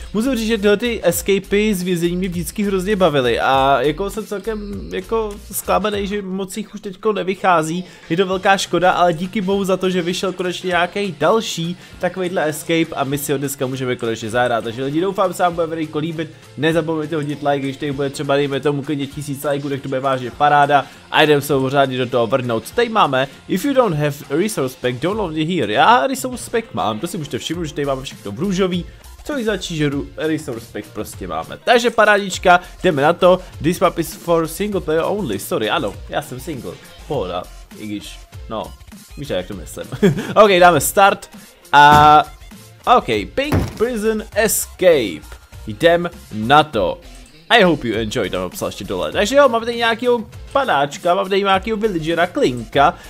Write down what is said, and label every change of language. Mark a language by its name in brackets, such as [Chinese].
[Czech] Musím říct, že tyhle ty escapy z vězení mě vždycky hrozně bavily a jako jsem celkem jako zklamaný, že moc jich už teďko nevychází, je to velká škoda, ale díky bohu za to, že vyšel konečně nějaký další takovýhle escape a my si ho dneska můžeme konečně zahrát. Takže lidi, doufám, že vám bude veliko líbit, nezapomeňte hodit like, když tady bude třeba dejme tomu klidně 1000 lajků, tak to bude vážně paráda a jdem se pořádně do toho vrhnout. Tady máme, [English] if you don't have a resource pack, don't love me here. [Czech] Já resource pack mám, to si můžete všimnout, že tady máme všechno v růžový. Co jí začí, že resource pack prostě máme. Takže parádička, jdeme na to. [English] This map is for single player only, sorry, [Czech] ano, já jsem single. Pohoda, i když, no, víš, jak to myslím. Ok, dáme start a ok, Pink Prison Escape. Jdem na to. [English] I hope you enjoyed, [Czech] tam napsal ještě dole. Takže jo, máme tady nějakého panáčka, máme tady nějakého villagera, Klinka.